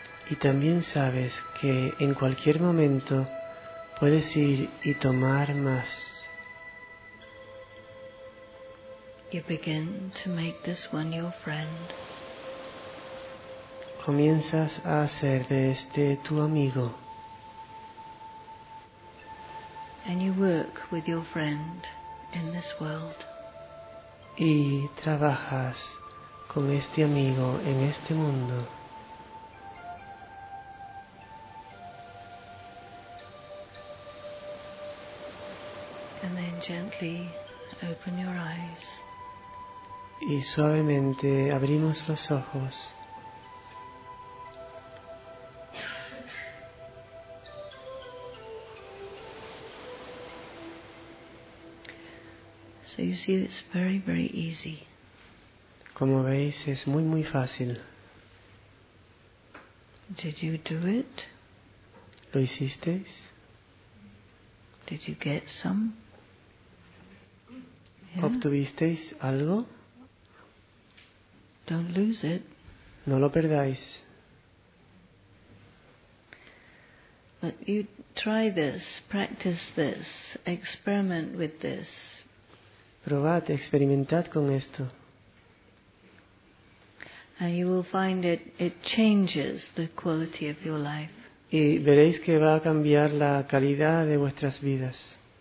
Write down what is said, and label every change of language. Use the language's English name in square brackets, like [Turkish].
[Spanish] Y también sabes que en cualquier momento puedes ir y tomar más. [English] You begin to make this one your friend. [Spanish] Comienzas a hacer de este tu amigo. [English] And you work with your friend in this world. [Spanish] Y trabajas con este amigo en este mundo. [English] And then gently open your eyes. [Spanish] Y suavemente abrimos los ojos. [English] So you see, it's very, very easy. [Spanish] Como veis, es muy, muy fácil. [English] Did you do it? [Spanish] ¿Lo hicisteis? [English] Did you get some? [Spanish] Yeah. ¿Obtuvisteis algo? [English] Don't lose it. [Spanish] No lo perdáis. [English] But you try this, practice this, experiment with this. [Spanish] Probad, experimentad con esto. [English] And you will find it changes the quality of your life. [Spanish] Y veréis que va a cambiar la calidad de vuestras vidas.